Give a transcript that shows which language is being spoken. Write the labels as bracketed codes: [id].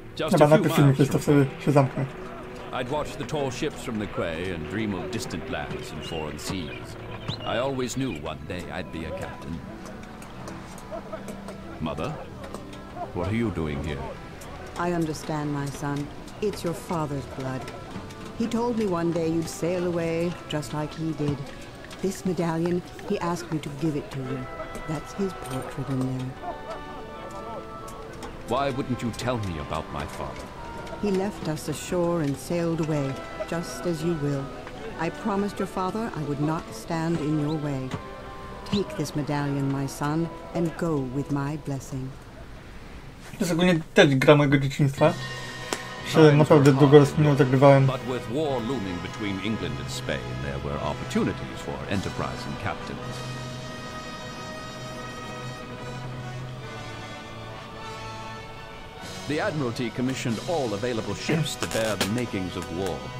[pl] Dobra, najpierw filmik jest, to wtedy się zamknę. [en] I'd watch the tall ships from the quay and dream of distant lands and foreign seas. I always knew one day I'd be a captain. Mother, what are you doing here? I understand, my son. It's your father's blood. He told me one day you'd sail away, just like he did. This medallion, he asked me to give it to you. That's his portrait in there. Why wouldn't you tell me about my father? He left us ashore and sailed away, just as you will. I promised your father I would not stand in your way. Take this medallion, my son, and go with my blessing. [pl] To jest ogólnie też gra mojego dzieciństwa. Się naprawdę długo z nią zagrywałem. [en] But with war looming between England and Spain, there were opportunities for enterprise and captains. The Admiralty commissioned all available ships to bear the makings of war.